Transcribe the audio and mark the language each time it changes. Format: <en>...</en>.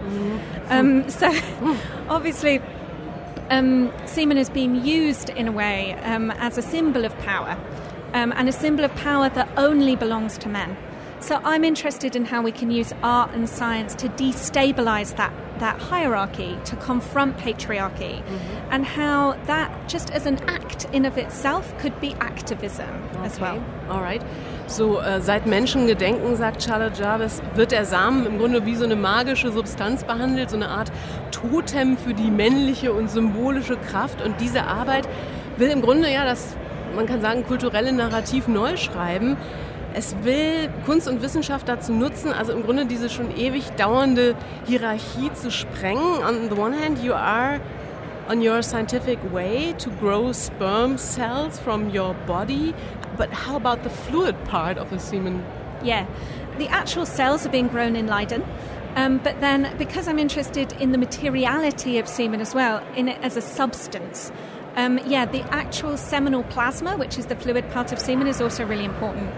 <en>Mm-hmm. So obviously, semen has been used in a way as a symbol of power, and a symbol of power that only belongs to men. So I'm interested in how we can use art and science to destabilize that hierarchy, to confront patriarchy, mm-hmm. and how that, just as an act in of itself, could be activism okay. as well. All right.</en> <de>So seit Menschengedenken, sagt Charlotte Jarvis, wird der Samen im Grunde wie so eine magische Substanz behandelt, so eine Art Totem für die männliche und symbolische Kraft. Und diese Arbeit will im Grunde ja das, man kann sagen, kulturelle Narrativ neu schreiben. Es will Kunst und Wissenschaft dazu nutzen, also im Grunde diese schon ewig dauernde Hierarchie zu sprengen.</de> <en>On the one hand, you are on your scientific way to grow sperm cells from your body. But how about the fluid part of the semen? Yeah, the actual cells are being grown in Leiden. But then, because I'm interested in the materiality of semen as well, in it as a substance, the actual seminal plasma, which is the fluid part of semen, is also really important.</en>